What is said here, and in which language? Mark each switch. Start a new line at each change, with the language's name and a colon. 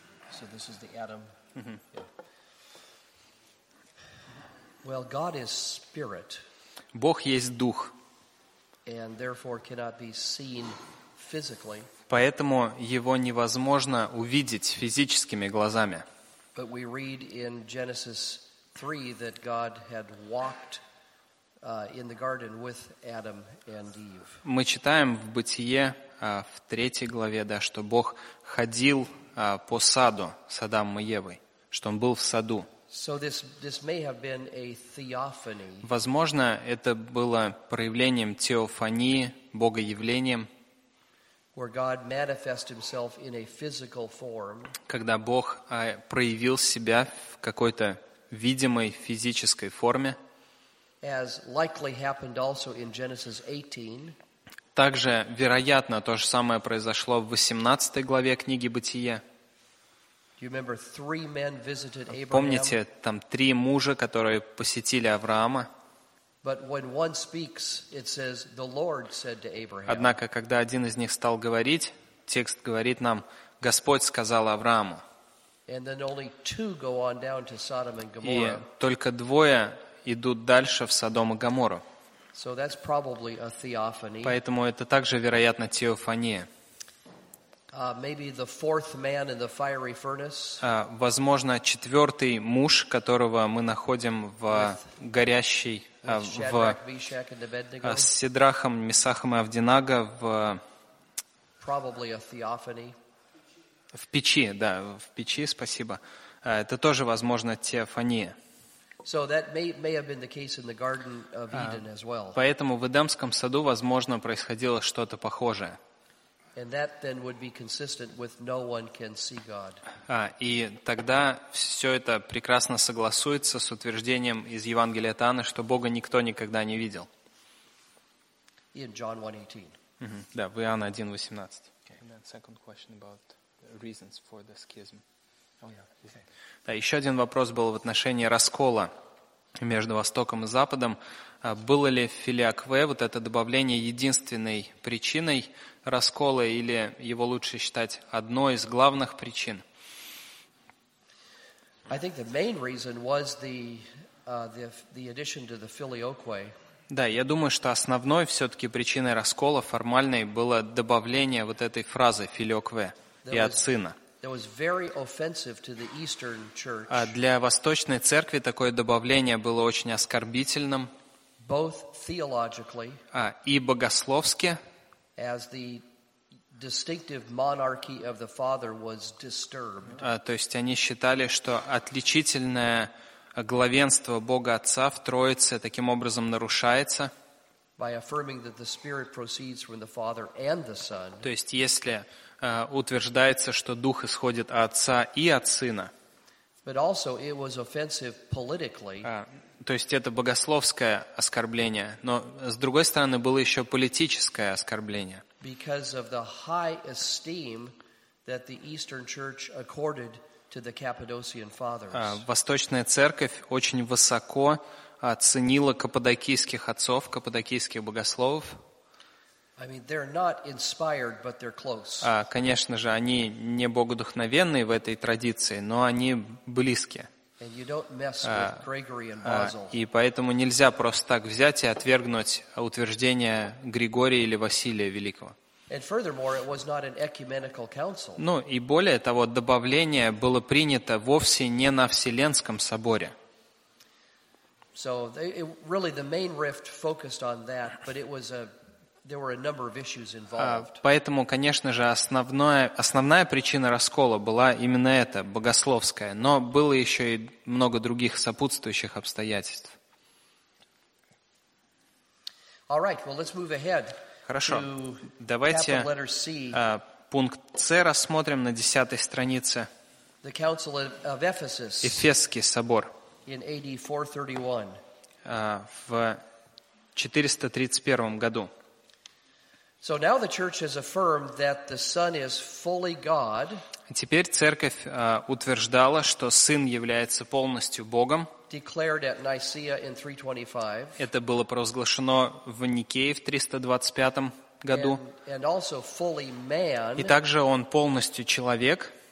English: So this is the Adam. Mm-hmm. Yeah. Well, God is spirit.
Russian: Бог есть дух.
English: And therefore cannot be seen physically.
Russian: Поэтому его невозможно увидеть физическими глазами.
English: But we read in Genesis 3 that God had walked in the garden with Adam and Eve.
Russian: Мы читаем в Бытие в 3 главе, да, что Бог ходил по саду с Адамом и Евой, что он был в саду.
English: So this may have been a theophany.
Russian: Возможно, это было проявлением теофании, богоявлением.
English: Where God manifested himself in a physical form.
Russian: Когда Бог проявил себя в какой-то видимой физической форме.
English: As likely happened also in Genesis 18.
Russian: Также, вероятно, то же самое произошло в 18 главе книги Бытия.
English: You remember three men visited Abraham?
Russian: Помните, там три мужа, которые посетили Авраама?
English: But when one speaks, it says, the Lord said to Abraham.
Russian: Однако, когда один из них стал говорить, текст говорит нам, Господь сказал Аврааму.
English: And then only two go on down to Sodom and Gomorrah.
Russian: И только двое идут дальше в Содом и Гоморру.
English: So that's probably a theophany.
Russian: Поэтому это также, вероятно, теофания.
English: Maybe the fourth man in the fiery furnace.
Russian: Возможно, четвертый муж, которого мы находим в горящей, с Сидрахом, Месахом и Авденаго в...
English: Probably a theophany.
Russian: В печи, да, в печи, спасибо. Это тоже, возможно, теофания.
English: So that may have been the case in the Garden of Eden as well.
Russian: Поэтому в Эдемском саду, возможно, происходило что-то похожее.
English: And that then would be consistent with no one can see God.
Russian: И тогда все это прекрасно согласуется с утверждением из Евангелия от Иоанна, что Бога никто никогда не видел.
English: In John 1:18.
Russian: Mm-hmm. Да, в Иоанна 1:18.
English: Okay. And then second question about reasons for the schism.
Russian: Да, еще один вопрос был в отношении раскола между Востоком и Западом. Было ли филиакве, вот это добавление, единственной причиной раскола или его лучше считать одной из главных причин?
English: I think the main reason was the addition to the filioque.
Russian: Да, я думаю, что основной все-таки причиной раскола формальной было добавление вот этой фразы филиокве и от сына.
English: That was very offensive to the Eastern Church.
Russian: А для Восточной Церкви такое добавление было очень оскорбительным.
English: Both theologically.
Russian: И богословски.
English: As the distinctive monarchy of the Father was disturbed.
Russian: То есть они считали, что отличительное главенство Бога Отца в Троице таким образом нарушается.
English: By affirming that the Spirit proceeds from the Father and the Son.
Russian: То есть если утверждается, что Дух исходит от Отца и от Сына.
English: But also it was offensive politically.
Russian: То есть это богословское оскорбление, но с другой стороны было еще политическое оскорбление.
English: Because of the high esteem that the Eastern Church accorded to the Cappadocian Fathers.
Russian: Восточная Церковь очень высоко оценила каппадокийских отцов, каппадокийских богословов.
English: I mean, they're not inspired, but they're close.
Russian: Конечно же, они не богодухновенные в этой традиции, но они близки.
English: And you don't mess with Gregory and Basil.
Russian: И поэтому нельзя просто так взять и отвергнуть утверждение Григория или Василия Великого.
English: And furthermore, it was not an ecumenical council.
Russian: Ну, и более того, добавление было принято вовсе не на Вселенском соборе.
English: So, really, the main rift focused on that, but it was a... There were a number of issues involved.
Russian: Поэтому, конечно же, основная причина раскола была именно эта, богословская. Но было еще и много других сопутствующих обстоятельств.
English: All right, well, let's move ahead.
Russian: Хорошо, давайте пункт С рассмотрим на 10-й странице.
English: The Council of Ephesus.
Russian: Эфесский собор.
English: In AD 431.
Russian: В 431 году.
English: So now the church has affirmed that the Son is fully God.
Russian: Теперь церковь утверждала, что Сын является полностью Богом.
English: Declared at Nicaea in 325.
Russian: Это было провозглашено в Никее в 325 году.
English: And also fully man.
Russian: И также он полностью человек.